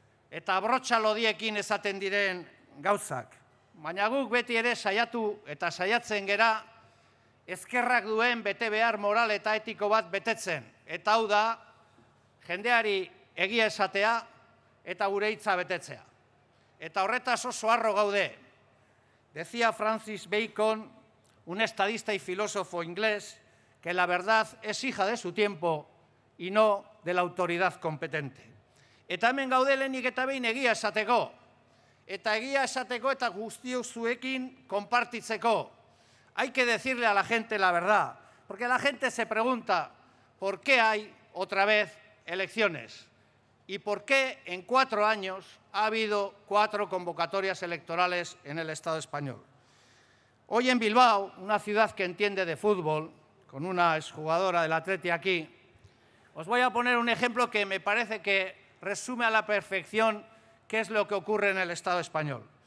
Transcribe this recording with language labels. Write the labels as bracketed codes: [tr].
[eu] Eta brotxa lodiekin esaten diren gauzak. Baina guk beti ere saiatu eta saiatzen gera, ezkerrak duen bete behar moral eta etiko bat betetzen. Eta hau da, jendeari egia esatea eta gure hitza betetzea. Eta horretaz oso harro gaude. [es] Decía Francis Bacon, un estadista y filósofo inglés, que la verdad es hija de su tiempo y no de la autoridad competente. [eu] Eta hemen gaude lehenik eta behin egia esateko. Eta egia esateko eta guztiok zuekin konpartitzeko. [es] Hay que decirle a la gente la verdad. Porque la gente se pregunta, ¿por qué hay otra vez elecciones? ¿Y por qué en 4 años ha habido 4 convocatorias electorales en el Estado español? Hoy en Bilbao, una ciudad que entiende de fútbol, con una exjugadora del Atleti aquí, os voy a poner un ejemplo que me parece que resume a la perfección qué es lo que ocurre en el Estado español.